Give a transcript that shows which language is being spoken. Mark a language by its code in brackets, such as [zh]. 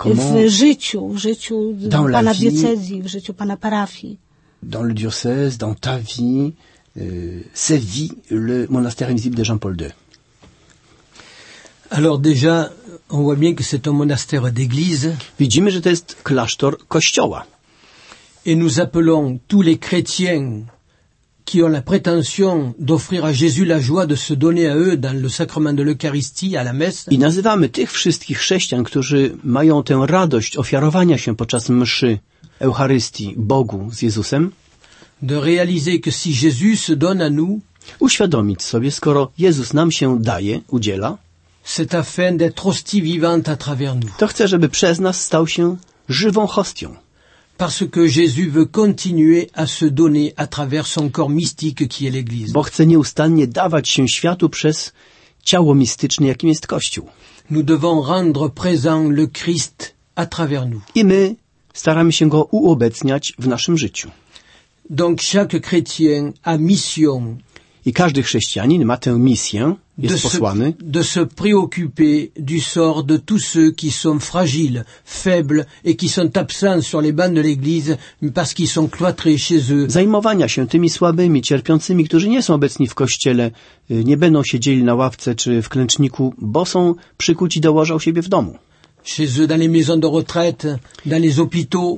[pl] w życiu [fr] dans [pl] pana diecezji, w życiu pana parafii. [fr] Dans le diocèse, dans ta vie, ses vies, le monastère invisible de Jean-Paul II. Alors déjà, on voit bien que c'est un monastère d'église. [pl] Widzimy, że to jest klasztor kościoła. [fr] et nous appelons tous les chrétiens qui ont la prétention d'offrir à Jésus la joie de se donner à eux dans le sacrement de l'Eucharistie à la messe. [pl] I nazywamy tych wszystkich chrześcijan, którzy mają tę radość ofiarowania się podczas mszy Eucharystii Bogu z Jezusem. [fr] De réaliser que si Jésus se donne à nous, [pl] uświadomić sobie, skoro Jezus nam się daje, udziela, [fr] c'est afin d'être hostie vivante à travers nous. [pl] To chce, żeby przez nas stał się żywą hostią. [fr] Parce que Jésus veut continuer à se donner à travers son corps mystique qui est l'Église. [pl] Bo chce nieustannie dawać się światu przez ciało mistyczne, jakim jest Kościół. [fr] Nous devons rendre présent le Christ à travers nous. [pl] I my staramy się go uobecniać w naszym życiu. [fr] Donc chaque chrétien a mission. [pl] I każdy chrześcijanin ma tę misję, jest posłany. [fr] De se préoccuper du sort de tous ceux qui sont fragiles, faibles et qui sont absents sur les bancs de l'église parce qu'ils sont cloîtrés chez eux. [pl] Zajmowania się tymi słabymi, cierpiącymi, którzy nie są obecni w kościele, nie będą siedzieli na ławce czy w klęczniku, bo są przykuci do łoża u siebie w domu. [fr] Chez eux, dans les maisons de retraite, dans les hôpitaux,